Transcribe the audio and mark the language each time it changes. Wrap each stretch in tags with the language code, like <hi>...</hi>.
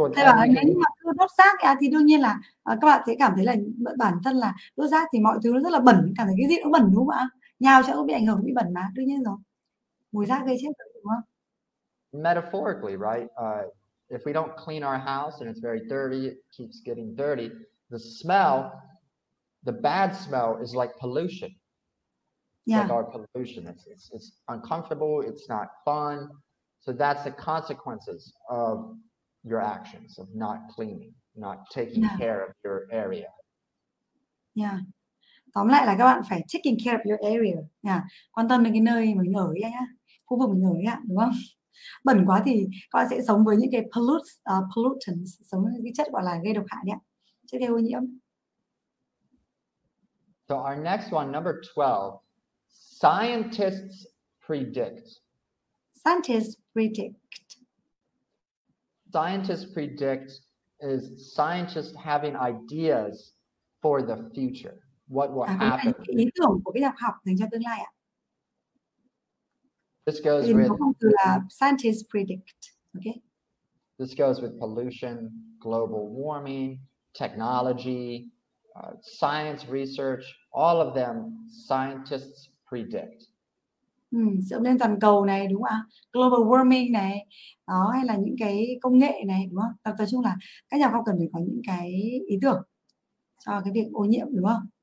<vi>Well, thế bảo nếu mà đốt rác thì đương nhiên là các bạn sẽ cảm thấy là bản thân là đốt rác thì mọi thứ nó rất là bẩn, cảm thấy cái gì cũng bẩn đúng không ạ? Nhào chỗ cũng bị ảnh hưởng, bị bẩn mà, đương nhiên rồi. Mùi rác gây chết đúng không?</vi> <en>Metaphorically, right? If we don't clean our house and it's very dirty, it keeps getting dirty, the smell, the bad smell is like pollution. Yeah. Like our pollution, it's uncomfortable, it's not fun. So that's the consequences of your actions of not cleaning, not taking care of your area. Yeah.</en> <vi>Tóm lại là các bạn phải</vi> <en>taking care of your area</en> <vi>nha. Quan tâm đến cái nơi mình ở nhá, khu vực mình ở nhá, đúng không? Bẩn quá thì các bạn sẽ sống với những cái pollutants, sống với cái chất gọi là gây độc hại nhá, chất gây ô nhiễm.</vi> <en>So our next one, number 12, scientists predict. Scientists predict is scientists having ideas for the future. What will happen?</en> <vi>Ý tưởng của cái nhà học dành cho tương lai ạ.</vi> <en>This goes with scientists predict. Okay. This goes with pollution, global warming, technology, science research, all of them scientists predict.</en> <vi>Sự ấm lên toàn cầu này đúng không ạ? Global warming này, đó hay là những cái công nghệ này đúng không? Tập tập chung là các nhà khoa học cần phải có những cái ý tưởng cho cái việc ô nhiễm đúng không?</vi>